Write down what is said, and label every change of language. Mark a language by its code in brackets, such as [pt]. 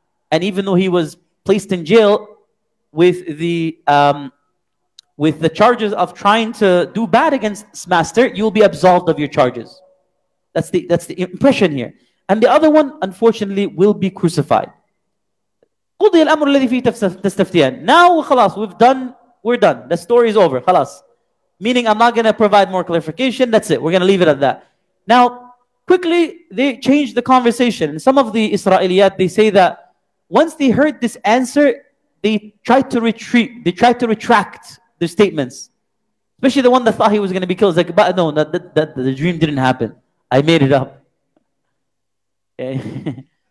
[en] And even though he was placed in jail with the charges of trying to do bad against his master, you will be absolved of your charges. That's the impression here. And the other one, unfortunately, will be crucified. [ar] قُضِي الْأَمْرُ الَّذِي فِي تَسْتَفْتِيَانِ [en] Now, [ar] خلاص, [en] we're done. The story is over. خلاص. Meaning, I'm not going to provide more clarification. That's it. We're going to leave it at that. Now, quickly, they changed the conversation. Some of the Israeliyat, they say that once they heard this answer, they tried to retreat. They tried to retract their statements. Especially the one that thought he was going to be killed. It's like, but no, the dream didn't happen. I made it up. Okay.